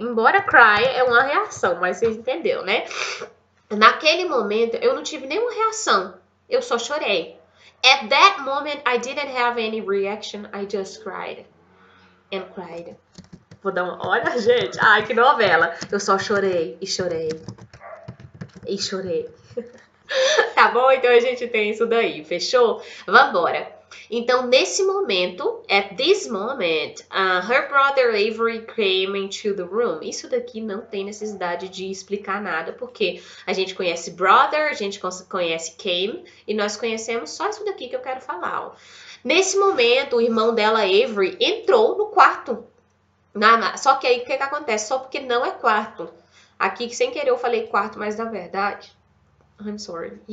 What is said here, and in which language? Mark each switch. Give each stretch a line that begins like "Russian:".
Portuguese: Embora cry é uma reação, mas você entendeu, né? Naquele momento eu não tive nenhuma reação, eu só chorei.
English: At that moment I didn't have any reaction, I just cried and cried.
Portuguese: Vou dar uma. Olha, gente, ai, que novela. Eu só chorei e chorei E chorei. Tá bom? Então a gente tem isso daí, fechou? Vambora. Então, nesse momento,
English: at this moment, her brother Avery came into the room.
Portuguese: Isso daqui não tem necessidade de explicar nada, porque a gente conhece brother, a gente conhece came, e nós conhecemos só isso daqui que eu quero falar, ó. Nesse momento, o irmão dela, Avery, entrou no quarto. Só que aí o que que acontece? Só porque não é quarto. Aqui, sem querer, eu falei quarto, mas na verdade.
English: I'm sorry.